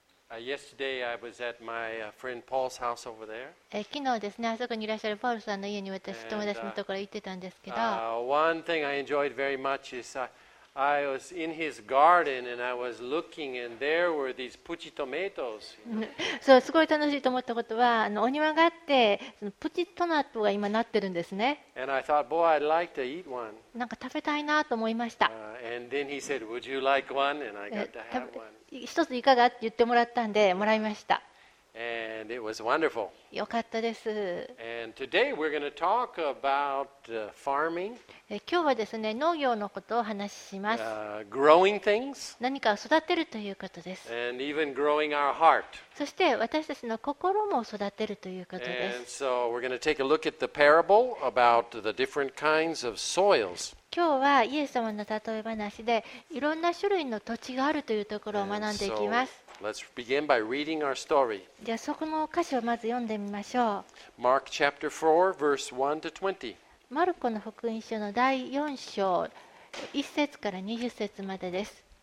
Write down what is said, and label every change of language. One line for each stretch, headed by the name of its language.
English: Yesterday I was at my friend Paul's house over there.
Japanese: 昨日ですね、あそこにいらっしゃるポールさんの家に私友達のところ行ってたんですけど。
English: One thing I enjoyed very much is I was in his garden and I was looking and there were these puchi tomatoes.
Japanese: そう、すごい楽しいと思ったことは、お庭があってそのプチトマトが今なってるんですね。
English: And I thought, boy, I'd like to eat one.
Japanese: なんか食べたいなと思いました。
English: And then he said, would you like one? And I got to have one.
Japanese: 一ついかがって言ってもらったんでもらいました。
English: And it was wonderful.
Japanese: よかったです。
English: And today we're going to talk about farming.
Japanese: 今日はですね、農業のことを話します。
English: Growing things.
Japanese: 何か育てるということです。
English: And even growing our heart.
Japanese: そして私たちの心も育てるということです。
English: And so we're going to take a look at the parable about the different kinds of soils.
Japanese: 今日はイエス様の例え話でいろんな種類の土地があるというところを学んでいきます。
English: So, let's begin by reading our story.
Japanese: じゃあそこの箇所をまず読んでみましょう。
English: Mark chapter 4 verse 1 to 20.
Japanese: マルコの福音書の第4章1節から20節までです。